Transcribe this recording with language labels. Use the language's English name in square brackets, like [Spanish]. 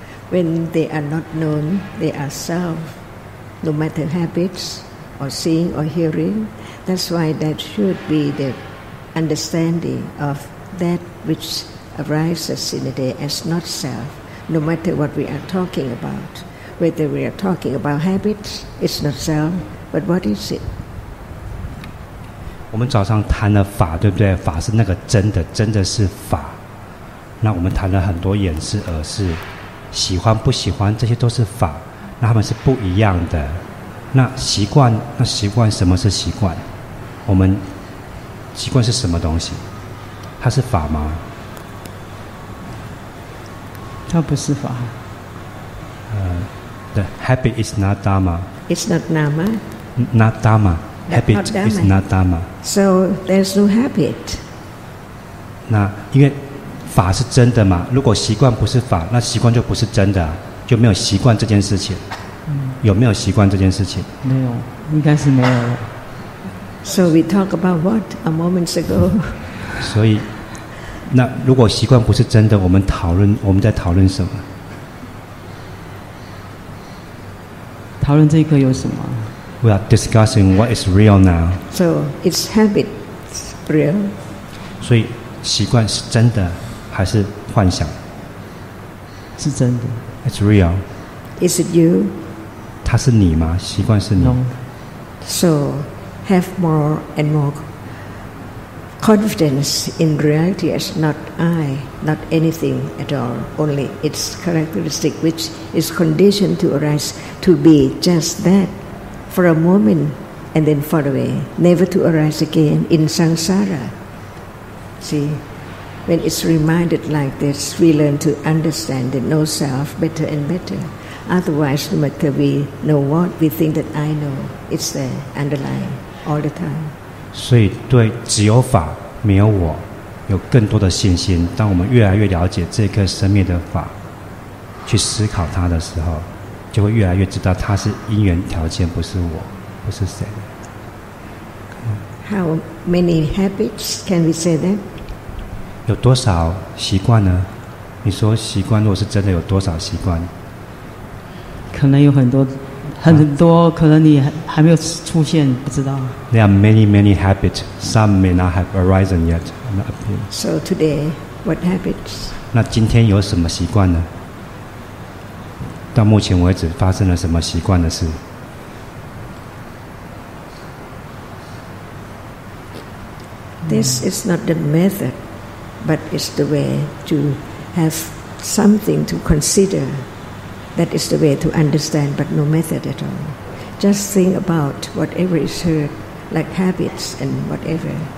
[English] When they are not known, they are self. No matter habits or seeing or hearing, that's why that should be the. Understanding of that which arises in the day as not self, no matter what we are talking about. Whether we are talking about habits, it's not self, but what is it? [Chinese] 我们早上谈了法，对不对？法是那个真的，真的是法。那我们谈了很多眼识、耳识，喜欢、不喜欢，这些都是法，那他们是不一样的。那习惯，什么是习惯？我们。习惯是什么东西？它是法吗？它不是法。 [English] The habit is not dharma. It's not dharma. Not dharma. Habit not dharma. Is not dharma. So there's no habit. [Chinese] 那因为法是真的嘛？如果习惯不是法，那习惯就不是真的、啊，就没有习惯这件事情。有没有习惯这件事情？没有，应该是没有了。 [English] So we talk about what a moments ago. [Chinese] 所以，那如果习惯不是真的，我们讨论我们在讨论什么？讨论这一刻有什么 [English] ？We are discussing what is real now. So it's habit, it's real. [Chinese] 所以习惯是真的还是幻想？是真的。 [English] It's real. Is it you? [Chinese] 它是你吗？习惯是你。 [English] No. So. Have more and more confidence in reality as not I, not anything at all, only its characteristic, which is conditioned to arise to be just that for a moment and then fall away, never to arise again in samsara. See, when it's reminded like this, we learn to understand the no self better and better. Otherwise, no matter we know what, we think that I know, it's the underlying. All the time. [Chinese] 所以对只有法没有我有更多的信心，当我们越来越了解这颗生灭的法，去思考它的时候，就会越来越知道它是因缘条件，不是我，不是谁。 [English] How many habits can we say that? [Chinese] 有多少习惯呢？你说习惯如果是真的，有多少习惯？可能有很多很多、可能你还没有出现，不知道。 [English] There are many, many habits. Some may not have arisen yet, not appear. So today, what habits? [Chinese] 那今天有什么习惯呢？到目前为止发生了什么习惯的事？ [English] This is not the method, but it's the way to have something to consider. That is the way to understand, but no method at all. Just think about whatever is heard, like habits and whatever.